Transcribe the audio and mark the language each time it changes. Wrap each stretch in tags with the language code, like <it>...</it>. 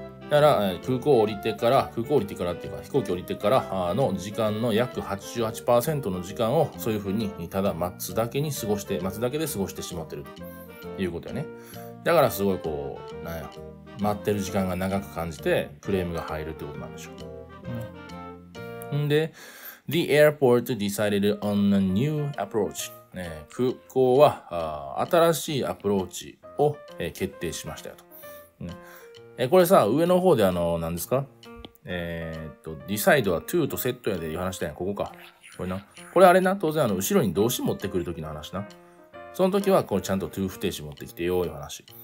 <ja>だから、飛行機降りてからの時間の約 88% の時間をそういうふうに、ただ待つだけで過ごしてしまってるということやね。だからすごいこう、なんや、待ってる時間が長く感じてクレームが入るってことなんでしょう。</ja> <en>んで、The airport decided on a new approach.</en> <ja>ね、空港は新しいアプローチを、決定しましたよと、ね、これさ上の方で何ですか、decide は to とセットやで話したやん。ここかこれな。これあれな、当然後ろに動詞持ってくる時の話な。その時はこれちゃんと to 不定詞持ってきてよいう話。</ja>